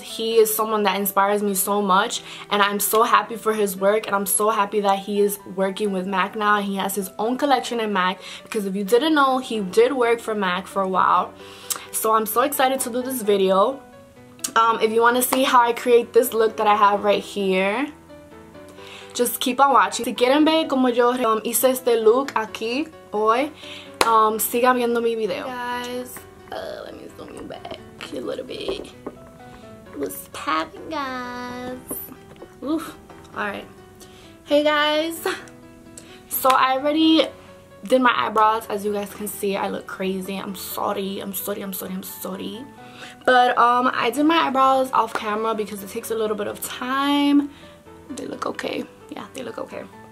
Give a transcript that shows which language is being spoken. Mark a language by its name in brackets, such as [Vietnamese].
[English] He is someone that inspires me so much, and I'm so happy for his work, and I'm so happy that he is working with MAC now and he has his own collection in MAC, because if you didn't know, he did work for MAC for a while. So I'm so excited to do this video. If you want to see how I create this look that I have right here, just keep on watching. [Spanish] Si quieren ver como yo hice este look aquí hoy, sigan viendo mi video. [English] Hey guys, let me zoom you back a little bit. What's happening, guys? Oof. Alright. Hey guys. So I already did my eyebrows. As you guys can see, I look crazy. I'm sorry. But I did my eyebrows off camera because it takes a little bit of time. They look okay. Yeah, they look okay.